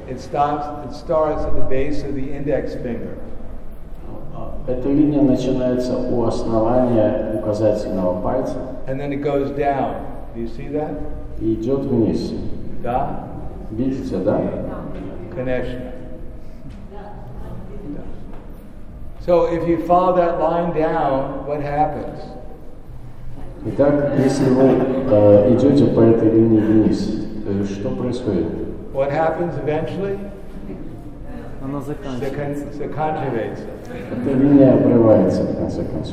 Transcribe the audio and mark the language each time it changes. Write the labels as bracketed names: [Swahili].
[English] It starts at the base of the index finger. [Russian] Эта линия начинается у основания указательного пальца. [English] And then it goes down. Do you see that? [Russian] И идет вниз. Да. Видите, да? Конечно. Да. [English] So if you follow that line down, what happens? [Russian] Итак, если вы идете по этой линии вниз, что происходит? [English] What happens eventually? [Russian] Оно заканчивается. Заканчивается. Эта линия обрывается, в конце концов.